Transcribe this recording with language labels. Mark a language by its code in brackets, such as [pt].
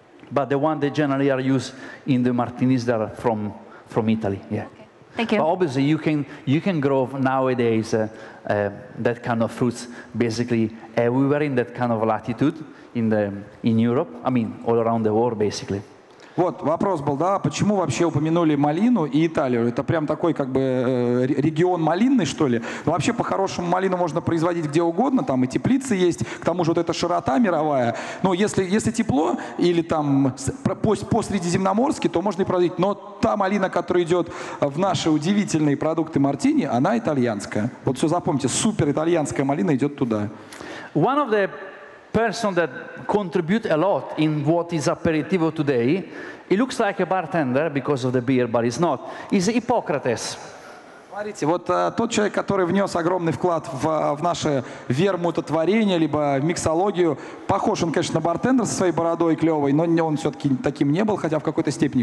[en] But the one they generally are used in the martinis that are from Italy. Yeah. Okay. Thank you. But obviously, you can grow nowadays. That kind of fruits, basically, everywhere in that kind of latitude in Europe. I mean, all around the world, basically. [ru] Вот, вопрос был, да, почему вообще упомянули малину и Италию? Это прям такой как бы регион малинный, что ли? Но вообще, по-хорошему, малину можно производить где угодно, там и теплицы есть, к тому же вот эта широта мировая. Но если тепло или там по Средиземноморске, то можно и производить. Но та малина, которая идет в наши удивительные продукты мартини, она итальянская. Вот все запомните, супер итальянская малина идет туда. [en] One of the person that contribute a lot in what is aperitivo today, he looks like a bartender because of the beer, but he's not. He's Hippocrates. [ru] Смотрите, вот тот человек, который внес огромный вклад в наше вермутотворение либо в миксологию, похож он, конечно, на бартендера со своей бородой клевой, но он все-таки таким не был, хотя в какой-то степени.